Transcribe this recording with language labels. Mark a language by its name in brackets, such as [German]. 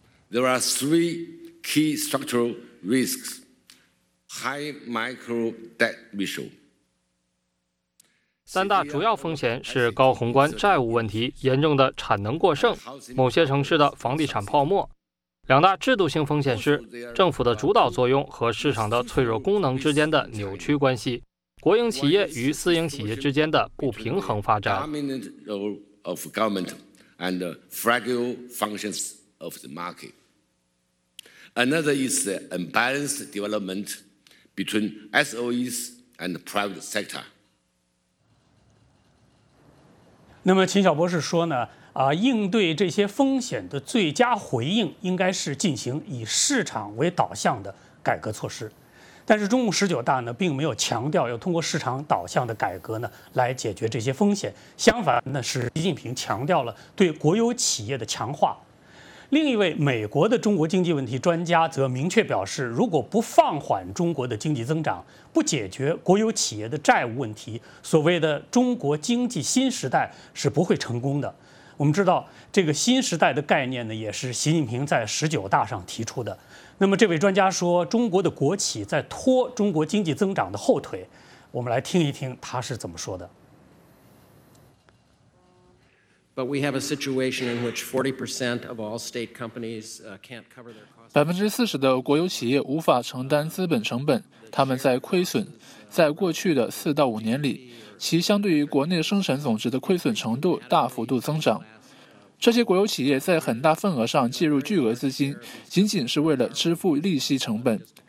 [English] There are three key structural risks: high micro debt ratio. [Chinese] 三大主要风险是高宏观债务问题、严重的产能过剩、某些城市的房地产泡沫。两大制度性风险是政府的主导作用和市场的脆弱功能之间的扭曲关系，国营企业与私营企业之间的不平衡发展。 [English] Dominant role of government and the fragile functions of the market. Another is the unbalanced development between SOEs and the private sector. [Chinese] 那么秦晓博士说呢，应对这些风险的最佳回应应该是进行以市场为导向的改革措施。但是中共十九大呢，并没有强调要通过市场导向的改革呢来解决这些风险。相反呢，是习近平强调了对国有企业的强化。另一位美国的中国经济问题专家则明确表示，如果不放缓中国的经济增长，不解决国有企业的债务问题，所谓的中国经济新时代是不会成功的。我们知道，这个新时代的概念呢，也是习近平在十九大上提出的。那么这位专家说，中国的国企在拖中国经济增长的后腿。我们来听一听他是怎么说的。 [English] But we have a situation in which 40% of all state companies can't cover their costs. [Chinese] 40%的国有企业无法承担资本成本，他们在亏损。在过去的4到5年里，其相对于国内生产总值的亏损程度大幅度增长。这些国有企业在很大份额上介入巨额资金，仅仅是为了支付利息成本。